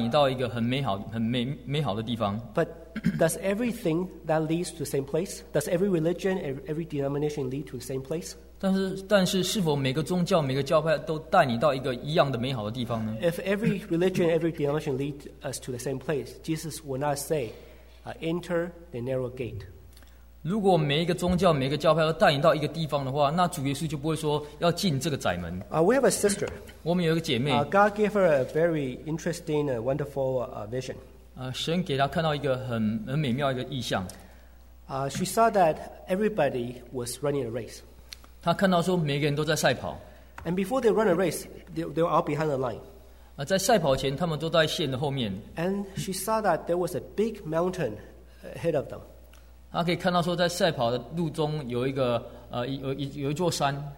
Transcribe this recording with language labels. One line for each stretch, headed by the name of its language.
Chinese: 每一个教派都说，如果你相信我这个教，这个教就会带你到一个很美好、很美好的地方。
English: But does everything that leads to the same place? Does every religion, every denomination lead to the same place?
Chinese: 但是是否每个宗教、每个教派都带你到一个一样的美好的地方呢？
English: If every religion, every denomination lead us to the same place, Jesus will not say, enter the narrow gate.
Chinese: 如果每一个宗教每一个教派都带你到一个地方的话，那主耶稣就不会说要进这个窄门。
English: We have a sister.
Chinese: 我们有一个姐妹。
English: God gave her a very interesting and wonderful vision.
Chinese: 神给她看到一个很美妙一个意象。
English: She saw that everybody was running a race.
Chinese: 她看到说每个人都在赛跑。
English: And before they run a race, they were all behind the line.
Chinese: 在赛跑前他们都在线的后面。
English: And she saw that there was a big mountain ahead of them.
Chinese: 他可以看到说在赛跑的路中有一个有一座山。